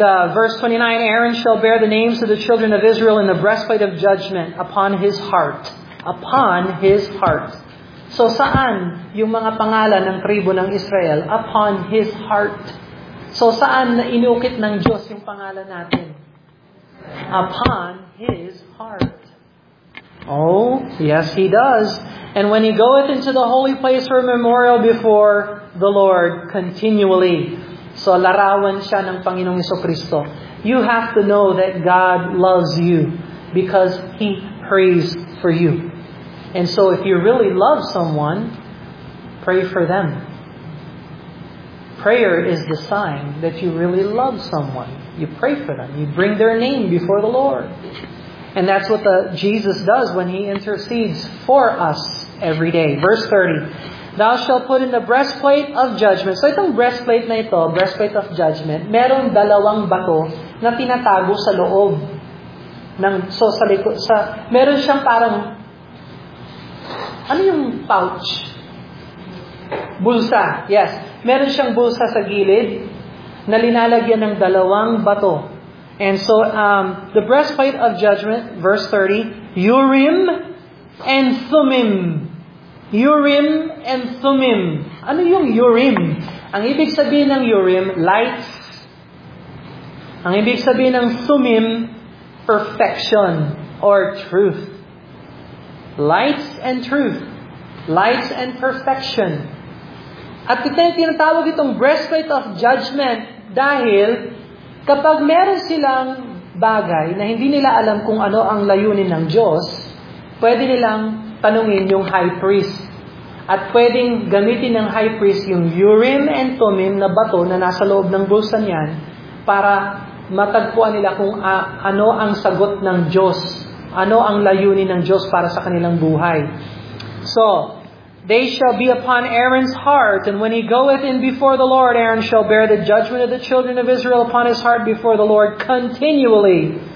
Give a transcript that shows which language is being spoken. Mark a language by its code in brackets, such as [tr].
[en] Verse 29, Aaron shall bear the names of the children of Israel in the breastplate of judgment upon his heart. Upon his heart. [tl] So saan yung mga pangalan ng tribo ng Israel? [en] Upon his heart. [tl] So saan na inukit ng Diyos yung pangalan natin? [en] Upon his heart. Oh, yes, he does. And when he goeth into the holy place for a memorial before the Lord continually. [tl] So larawan siya ng Panginoong Jesucristo. [en] You have to know that God loves you because he prays for you. And so if you really love someone, pray for them. Prayer is the sign that you really love someone. You pray for them. You bring their name before the Lord. And that's what Jesus does when he intercedes for us every day. Verse 30, thou shalt put in the breastplate of judgment. [tl] So itong breastplate na ito, breastplate of judgment, meron dalawang bato na tinatago sa loob. Meron siyang parang, ano yung pouch? bulsa. Yes. Meron siyang bulsa sa gilid na linalagyan ng dalawang bato. [en] And so, the breastplate of judgment, verse 30, Urim and Thummim. [tl] Urim and Thummim. Ano yung Urim? Ang ibig sabihin ng Urim, lights. Ang ibig sabihin ng Thummim, [en] perfection or truth. Lights and truth. Lights and perfection. [tl] At itong tinatawag itong breastplate of judgment dahil kapag meron silang bagay na hindi nila alam kung ano ang layunin ng Diyos, pwede nilang tanungin yung high priest. At pwedeng gamitin ng high priest yung Urim and Thummim na bato na nasa loob ng bulsa niyan para matagpuan nila kung ano ang sagot ng Diyos, ano ang layunin ng Diyos para sa kanilang buhay. [en] So, they shall be upon Aaron's heart, and when he goeth in before the Lord, Aaron shall bear the judgment of the children of Israel upon his heart before the Lord continually.